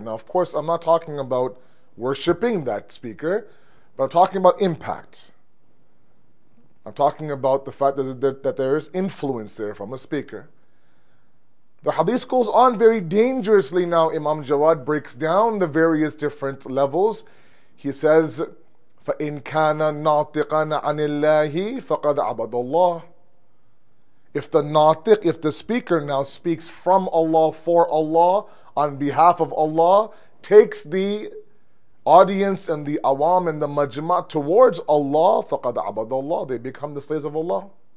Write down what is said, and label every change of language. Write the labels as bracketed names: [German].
[English] Now, of course, I'm not talking about worshipping that speaker, but I'm talking about impact. I'm talking about the fact that there is influence there from a speaker. The hadith goes on very dangerously now. Imam Jawad breaks down the various different levels. He says, [Arabic] فَإِن كَانَ نَاطِقًا عَنِ اللَّهِ فَقَدْ عَبَدَ اللَّهِ. [English] If the natiq, if the speaker now speaks from Allah, for Allah, on behalf of Allah, takes the audience and the awam and the majma towards Allah, [Arabic] faqad abad Allah, [English] they become the slaves of Allah.